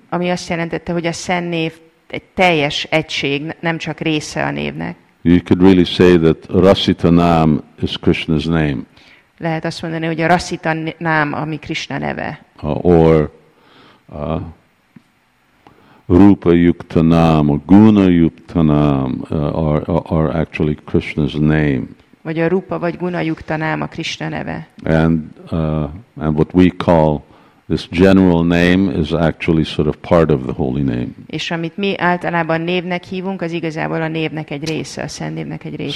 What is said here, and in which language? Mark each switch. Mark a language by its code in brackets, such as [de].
[hu] Ami azt jelentette, hogy a szent név egy teljes egység, nem csak része a névnek. [en] You could really say that Rasita Nam is Krishna's name. [hu] Lehet azt mondani, hogy a Rasita Nam, ami Krishna neve. [en] Or Rupa Yukta Nam, or Guna Yukta Nam are actually Krishna's name. [hu] Vagy a Rupa vagy Guna Yukta Nam a Krishna neve. [en] And what we call this general name is actually sort of part of the holy name. [hu] És amit mi általában névnek hívunk, az igazából a névnek egy része, a szent névnek egy része.